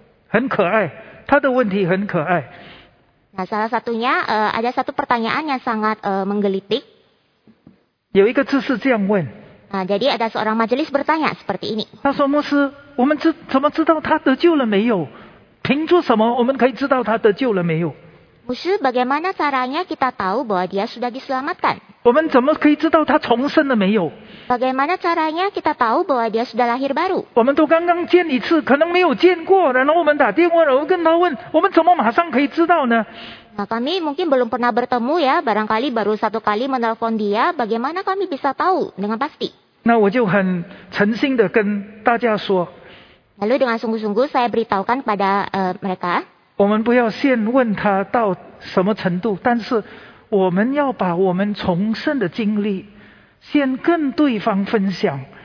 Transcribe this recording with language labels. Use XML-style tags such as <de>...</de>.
<id>Nah, salah satunya ada satu pertanyaan yang sangat menggelitik.</id> <zh>有一个知识这样问,</zh> <id>Nah, jadi ada seorang majelis bertanya seperti ini.</id> <zh>他说牧师，我们怎么知道他得救了没有？凭着什么我们可以知道他得救了没有？</zh> <id>牧师， bagaimana caranya kita tahu bahwa dia sudah diselamatkan?</id> <zh>我们怎么可以知道他重生了没有？</zh> <id>Bagaimana caranya kita tahu bahwa dia sudah lahir baru?</id> <zh>我们都刚刚见一次，可能没有见过，然后我们打电话，然后跟他问，我们怎么马上可以知道呢？</zh> <id>Nah, kami mungkin belum pernah bertemu ya, barangkali baru satu kali menelpon dia, bagaimana kami bisa tahu dengan pasti?</id> <zh>那我就很诚心地跟大家说。</zh> <id>Lalu dengan sungguh-sungguh saya beritahukan pada mereka.</id> <zh>我们不要先问他到什么程度， 但是我们要把我们重生的经历先跟对方分享。</zh>